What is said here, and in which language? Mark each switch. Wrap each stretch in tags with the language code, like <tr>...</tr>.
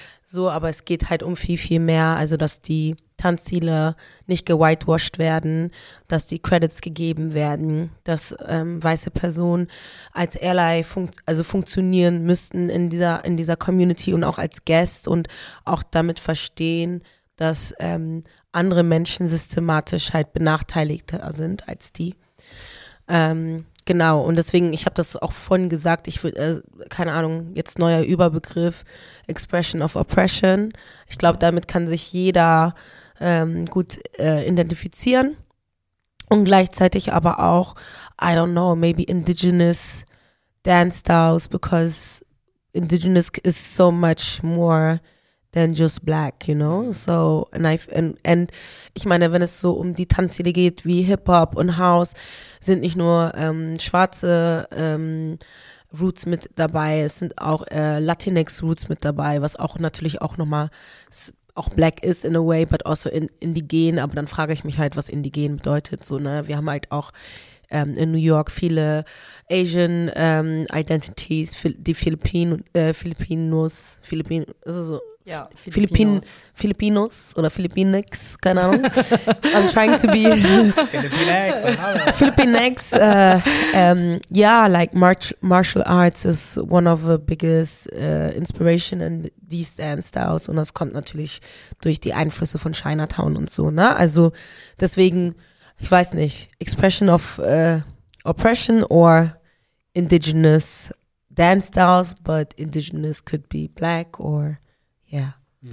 <de>So, aber es geht halt um viel, viel mehr, also dass die Tanzstile nicht gewhitewashed werden, dass die Credits gegeben werden, dass weiße Personen als Ally funktionieren müssten in dieser Community und auch als Guest und auch damit verstehen, dass andere Menschen systematisch halt benachteiligter sind als die. Genau, und deswegen, ich habe das auch vorhin gesagt, ich würde, keine Ahnung, jetzt neuer Überbegriff, Expression of Oppression. Ich glaube, damit kann sich jeder gut identifizieren. Und gleichzeitig aber auch,</de> <en>I don't know, maybe indigenous dance styles, because indigenous is so much more than just black, you know?</en> <de>So, and ich meine, wenn es so um die Tanzstile geht, wie Hip-Hop und House, sind nicht nur schwarze Roots mit dabei, es sind auch Latinx Roots mit dabei, was auch natürlich auch nochmal auch black ist</de> <en>in a way, but also</en> <de>indigen, aber dann frage ich mich halt, was indigen bedeutet, so, ne? Wir haben halt auch in New York viele Asian Identities, die Filipinos, Filipinos, also so, ja, Filipinos. Filipinos oder Filipinex, keine Ahnung.</de> <en>I'm trying to be</en> <de>Filipinex. Filipinex.</de> <en>Yeah, like martial arts is one of the biggest inspiration in these dance styles.</en> <de>Und das kommt natürlich durch die Einflüsse von Chinatown und so. Ne? Also deswegen, ich weiß nicht,</de> <en>expression of oppression or indigenous dance styles, but indigenous could be black or</en> <de>ja.</de> <en>Yeah.</en>